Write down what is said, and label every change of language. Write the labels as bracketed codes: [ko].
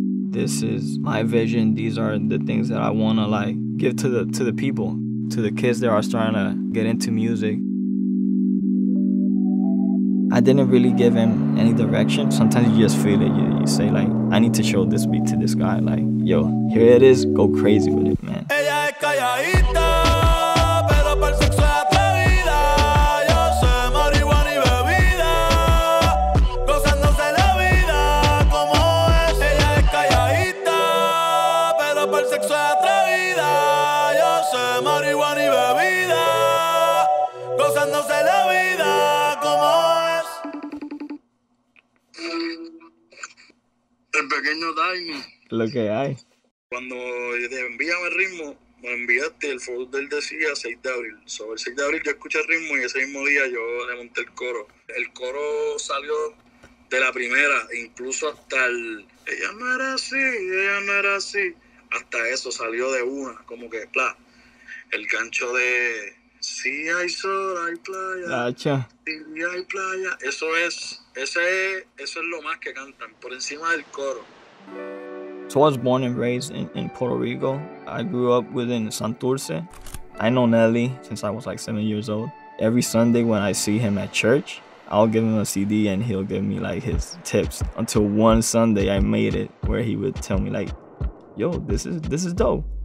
[en] This is my vision. These are the things that I want to, like, give to the people, to the kids that are starting to get into music. I didn't really give him any direction. Sometimes you just feel it. You say, like, I need to show this beat to this guy. Like, yo, here it is. Go crazy with it, man. [es] Ella es callaíta, pero por sexo es atrevida. Yo sé, marihuana y bebida, gozándose la vida como es. Ella es callaíta, pero por sexo es atrevida. Yo sé, marihuana y bebida, gozándose la vida. El pequeño Tiny. Lo que hay. Cuando te envían el ritmo, me enviaste el folder del decía 6 de abril. Sobre el 6 de abril yo escuché el ritmo y ese mismo día yo le monté el coro. El coro salió de la primera, incluso hasta el... Ella no era así, ella no era así. Hasta eso salió de una, como que, bla. El gancho de... Sí hay sol, hay playa. Lacha. Sí hay playa. Eso es... Eso es lo más que cantan, por encima del coro. [en] So I was born and raised in Puerto Rico. I grew up within Santurce. I know Nelly since I was like 7 years old. Every Sunday when I see him at church, I'll give him a CD and he'll give me like his tips. Until one Sunday I made it where he would tell me like, yo, this is dope.